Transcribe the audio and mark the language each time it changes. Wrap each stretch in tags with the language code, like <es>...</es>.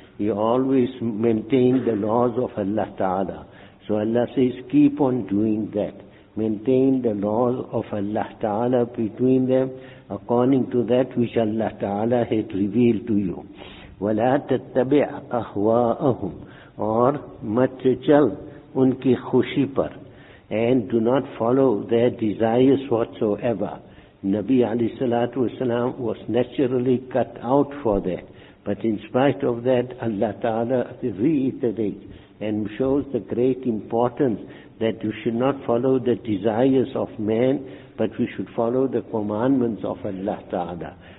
<en>He always maintained the laws of Allah Ta'ala. So Allah says, keep on doing that. Maintain the laws of Allah Ta'ala between them according to that which Allah Ta'ala had revealed to you.</en> <ar>وَلَا تَتَّبِعْ أَهْوَاءَهُمْ.</ar> <ur>Or, مَتْ چَلْ اُنْكِ خُشِي پَرْ.</ur> <en>And do not follow their desires whatsoever. Nabi alayhi salatu wasalam was naturally cut out for that. But in spite of that, Allah Ta'ala reiterates and shows the great importance that you should not follow the desires of man, but we should follow the commandments of Allah Ta'ala.</en>